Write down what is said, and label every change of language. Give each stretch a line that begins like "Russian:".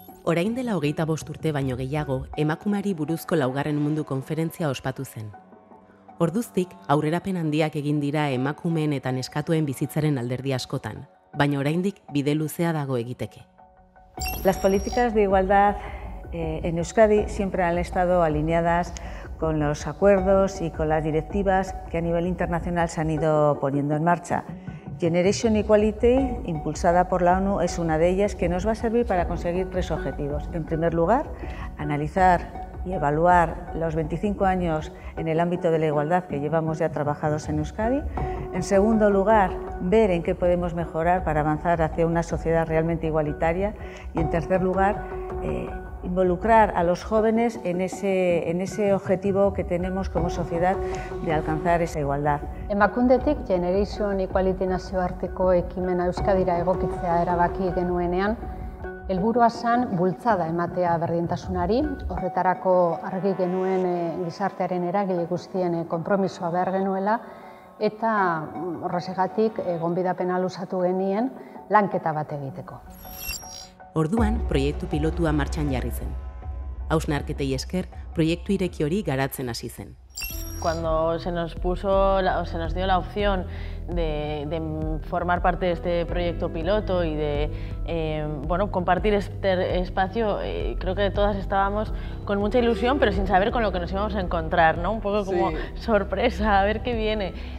Basque: Orain dela 25 urte baino gehiago, emakumeari buruzko laugarren mundu konferentzia ospatu zen. Orduztik, aurrerapen handiak egin dira emakumeen eta neskatuen bizitzaren alderdi askotan, baina oraindik bide luzea dago egiteke.
Spanish: Las políticas de igualdad en Euskadi siempre han estado alineadas con los acuerdos y con las directivas que a nivel internacional se han ido poniendo en marcha. Generation Equality, impulsada por la ONU, es una de ellas que nos va a servir para conseguir tres objetivos. En primer lugar, analizar y evaluar los 25 años en el ámbito de la igualdad que llevamos ya trabajados en Euskadi. En segundo lugar, ver en qué podemos mejorar para avanzar hacia una sociedad realmente igualitaria. Y en tercer lugar, involucrar a los jóvenes en ese objetivo que tenemos como sociedad de alcanzar esa igualdad.
Basque: Emakundetik Generation Equality nazioarteko ekimena Euskadira egokitzea erabaki genuenean, helburua zen bultzada ematea berdintasunari, horretarako argi genuen gizartearen eragile guztien konpromisoa behar genuela, eta horrezegatik gonbidapena luzatu genien lanketa bat egiteko. Orduan, proiektu pilotua martxan jarri zen. Hausnarketei esker, proiektu ireki hori garatzen hasi zen.
Spanish: Cuando se nos dio la opción de formar parte de este proyecto piloto y de compartir este espacio, creo que todas estábamos con mucha ilusión, pero sin saber con lo que nos íbamos a encontrar, ¿no? Un poco como sorpresa, a ver qué viene.